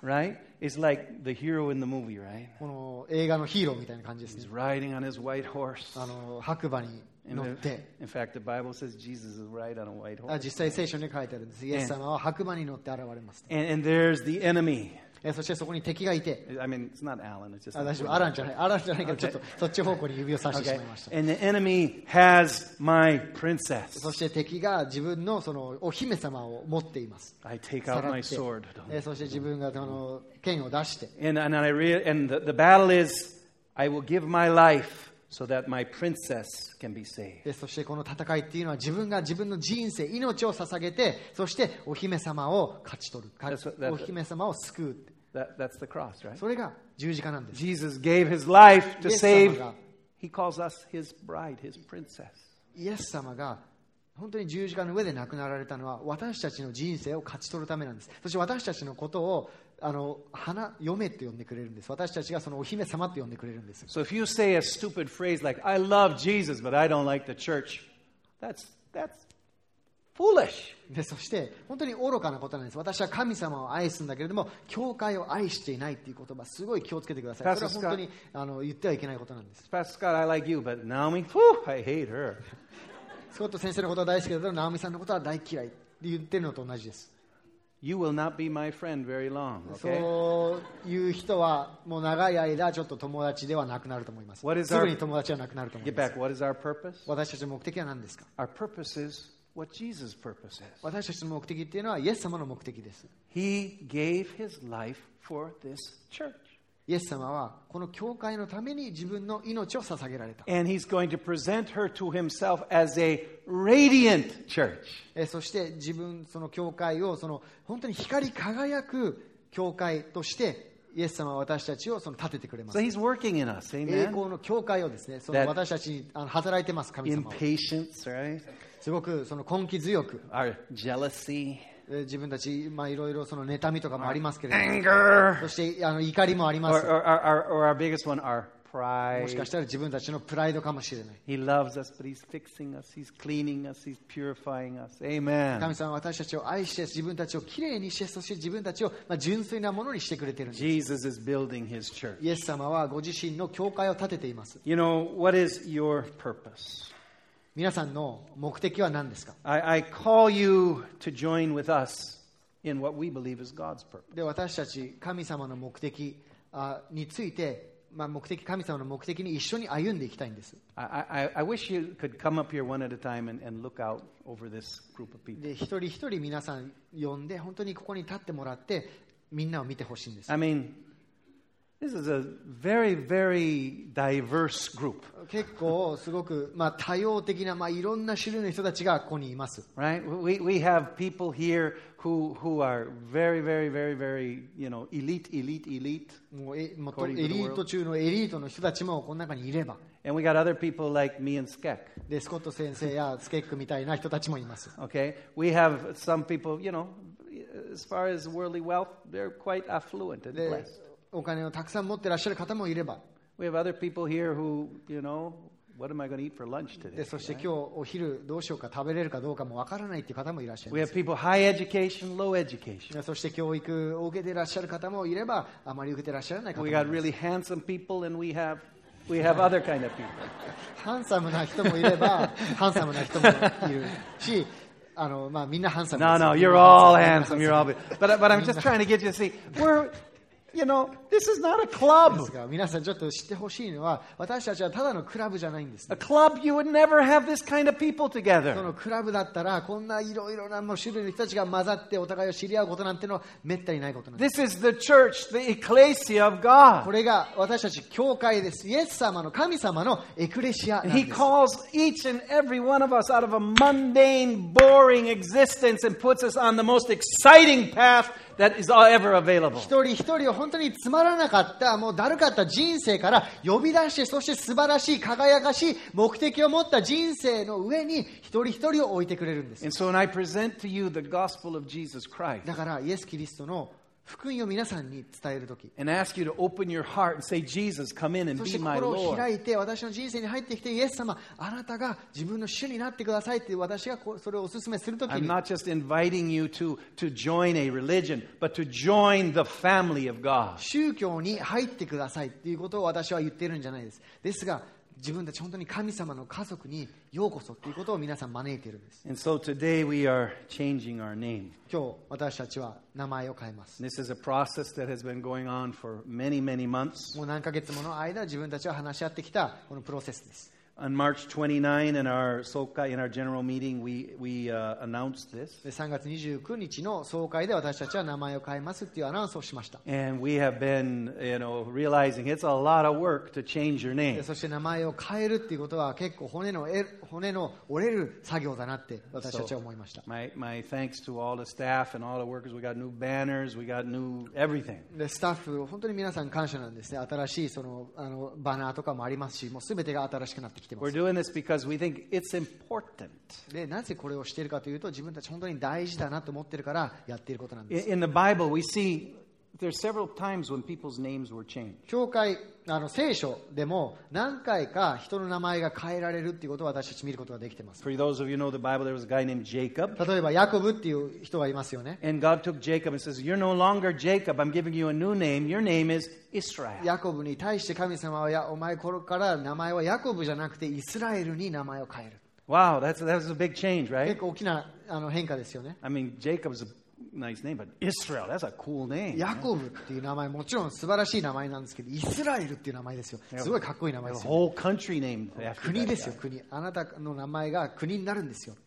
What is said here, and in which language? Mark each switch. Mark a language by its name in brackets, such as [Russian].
[English] Right? It's like the hero in the movie, right? [Japanese] この映画のヒーローみたいな感じですね。 [English] He's riding on his white horse. [Japanese] 白馬に乗って。 [English] In fact, the Bible says Jesus is riding on a white horse. [Japanese] 実際聖書に書いてあるんです。イエス様は白馬に乗って現れます。 [English] And there's the enemy. [Japanese] そしてそこに敵がいて。 [English] I mean, it's not Alan. It's just. [Japanese] 私はアランじゃない。アランじゃないけど、ちょっとそっち方向に指を差してしまいました。 [English] And the enemy has my princess. [Japanese] そして敵が自分のそのお姫様を持っています。 [English] I take out my sword. [Japanese] そして自分が剣を出して。 [English] And I really, and the battle is, I will give my life so that my princess can be saved. [Japanese] で、そしてこの戦いっていうのは自分が自分の人生、命を捧げて、そしてお姫様を勝ち取る。お姫様を救う。 [English] That's the cross, right? [Japanese] それが十字架なんです。 [English] Jesus gave his life to save. He calls us his bride, his princess. [Japanese] イエス様が本当に十字架の上で亡くなられたのは私たちの人生を勝ち取るためなんです。そして私たちのことを花嫁って呼んでくれるんです。私たちがそのお姫様って呼んでくれるんです。 [English] So if you say a stupid phrase like I love Jesus but I don't like the church, that's foolish. [Japanese] で、そして本当に愚かなことなんです。私は神様を愛すんだけれども教会を愛していないっていう言葉すごい気をつけてください。それは本当に言ってはいけないことなんです。 [English] Pastor Scott, I like you but Naomi, whew, I hate her. [Japanese] スコット先生のことは大好きだけど、ナオミさんのことは大嫌いって言ってるのと同じです。 [English] You will not be my friend very long, okay? [Japanese] そういう人はもう長い間ちょっと友達ではなくなると思います。すぐに友達はなくなると思います。 [English] Get back. What is our purpose? [Japanese] 私たちの目的は何ですか? [English] Our purpose is what Jesus' purpose is. [Japanese] 私たちの目的っていうのはイエス様の目的です。 [English] He gave his life for this church. [Japanese] イエス様はこの教会のために自分の命を捧げられた。 [English] And he's going to present her to himself as a radiant church. [Japanese] そして自分その教会をその本当に光り輝く教会としてイエス様は私たちをその立ててくれます。 [English] So he's working in us, amen. [Japanese] 栄光の教会をですね、その私たちに働いてます、神様は。 [English] Impatience, right? [Japanese] すごくその根気強く。 [English] Our jealousy. [Japanese] 自分たち、まあ、いろいろその妬みとかもありますけれども、 [English] anger. [Japanese] そしてあの怒りもあります。 [English] Or our biggest one, our pride. [Japanese] もしかしたら自分たちのプライドかもしれない。 [English] He loves us, but he's fixing us, he's cleaning us, he's purifying us. Amen. [Japanese] 神様は私たちを愛して、自分たちをきれいにして、そして自分たちを、まあ、純粋なものにしてくれているんです。 [English] Jesus is building his church. [Japanese] イエス様はご自身の教会を建てています。 [English] You know, what is your purpose? [Japanese] 皆さんの目的は何ですか? [English] I call you to join with us in what we believe is God's purpose. [Japanese] で、私たち神様の目的について、まあ、目的、神様の目的に一緒に歩んでいきたいんです。 [English] I wish you could come up here one at a time and look out over this group of people. [Japanese] で、一人一人皆さん呼んで、本当にここに立ってもらって、みんなを見てほしいんです。 [English] I mean,This is a very, very diverse group. [Japanese] 結構すごく、まあ、多様的な、まあ、いろんな種類の人たちがここにいます。 [English] Right? We have people here who are very, very, very, very, you know, elite. [Japanese] エリート中のエリートの人たちもこの中にいれば。 [English] And we got other people like me and Skek. [Japanese] で、スコット先生やスケックみたいな人たちもいます。 [English] Okay? We have some people, you know, as far as worldly wealth, they're quite affluent and blessed. [Japanese] お金をたくさん持ってらっしゃる方もいれば。 [English] We have other people here who, you know, what am I going to eat for lunch today? [Japanese] で、そして今日お昼どうしようか食べれるかどうかもわからないっていう方もいらっしゃいます。 [English] We have people high education, low education. [Japanese] そして教育を受けてらっしゃる方もいれば、あまり受けてらっしゃらない方もいます。 [English] We got really handsome people and we have other kind of people. [Japanese] ハンサムな人もいれば、ハンサムな人もいるし、まあみんなハンサムです。 [English] No, no, you're all handsome. You're all beautiful. But I'm just trying to get you to see. You know, this is not a club. [Japanese] ですが、皆さんちょっと知ってほしいのは、私たちはただのクラブじゃないんです、ね。 [English] A club, you would never have this kind of people together. [Japanese] そのクラブだったら、こんないろいろな種類の人たちが混ざってお互いを知り合うことなんてのはめったにないことなんです。 [English] This is the church, the ecclesia of God. [Japanese] これが私たち教会です。イエス様の神様のエクレシアなんです。 [English] He calls each and every one of us out of a mundane, boring existence and puts us on the most exciting path. That is all ever available. [Japanese] 一人一人を本当につまらなかった、もうだるかった人生から呼び出して、そして素晴らしい、輝かしい目的を持った人生の上に一人一人を置いてくれるんです。 [English] And so when I present to you the gospel of Jesus Christ, [Japanese] だからイエス・キリストの福音を皆さんに伝えるとき、 [English] And ask you to open your heart and say, Jesus, come in and be my Lord. [Japanese] そして心を開いて、私の人生に入ってきて、イエス様、あなたが自分の主になってくださいって私がそれをお勧めするときに、 [English] I'm not just inviting you to join a religion, but to join the family of God. [Japanese] 宗教に入ってくださいっていうことを私は言ってるんじゃないです。ですが、自分たち本当に神様の家族にようこそっていうことを皆さん招いているんです。 [English] And so today we are changing our name. [Japanese] 今日私たちは名前を変えます。 [English] This is a process that has been going on for many, many months. [Japanese] もう何ヶ月もの間自分たちは話し合ってきたこのプロセスです。 [English] On March 29, in our Soka, in our general meeting, we announced this. [Japanese] 3月29日の総会で私たちは名前を変えますっていうアナウンスをしました。 [English] And we have been, you know, realizing it's a lot of work to change your name. [Japanese] そして名前を変えるっていうことは結構骨の折れる作業だなって私たちは思いました。 [English] So, my thanks to all the staff and all the workers. We got new banners. We got new everything. [Japanese] で、スタッフ本当に皆さん感謝なんですね。新しいあのバナーとかもありますし、もうすべてが新しくなって。 [English] We're doing this because we think it's important. [Japanese] で、なぜこれをしているかというと、自分たち本当に大事だなと思ってるからやっていることなんです。 [English] In the Bible, we see there are several times when people's names were changed. [Japanese] 教会、聖書でも何回か人の名前が変えられるっていうことを私たち見ることができてます。 [English] For those of you who know the Bible, there was a guy named Jacob. [Japanese] 例えばヤコブっていう人がいますよね。 [English] And God took Jacob and says, "You're no longer Jacob. I'm giving you a new name. Your name is." Israel. [Japanese] ヤコブに対して神様はお前これから名前はヤコブじゃなくてイスラエルに名前を変える。 [English] Wow, that's a big change, right? [Japanese] 結構大きな変化ですよね。 [English] I mean, Jacob's nice name, but Israel, that's a cool name. [Japanese] ヤコブっていう名前もちろん素晴らしい名前なんですけど、イスラエルっていう名前ですよ。すごいかっこいい名前ですよ。 [English] Whole country name. [Japanese] 国ですよ、国。あなたの名前が国になるんですよ。